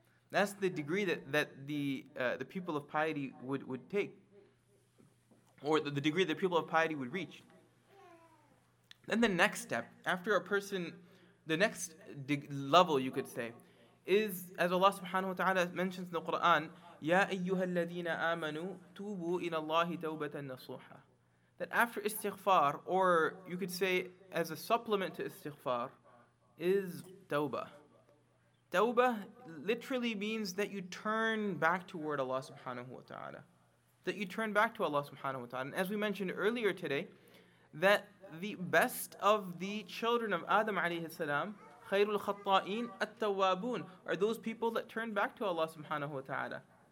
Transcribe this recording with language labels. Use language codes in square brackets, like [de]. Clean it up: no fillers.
[en] That's the degree that the people of piety would take, or the degree that people of piety would reach. Then the next step, after a person, the next level, you could say, is, as Allah subhanahu wa ta'ala mentions in the Qur'an, [ar] يا أيها الذين آمنوا توبوا إلى الله توبة نصوحة. [en] That after istighfar, or you could say as a supplement to istighfar, is tawbah. Tawbah literally means that you turn back toward Allah subhanahu wa ta'ala. That you turn back to Allah subhanahu wa ta'ala. And as we mentioned earlier today, that the best of the children of Adam alayhi salam, [ar] khayrul khatta'een at-tawwabun, [en] are those people that turn back to Allah subhanahu wa ta'ala.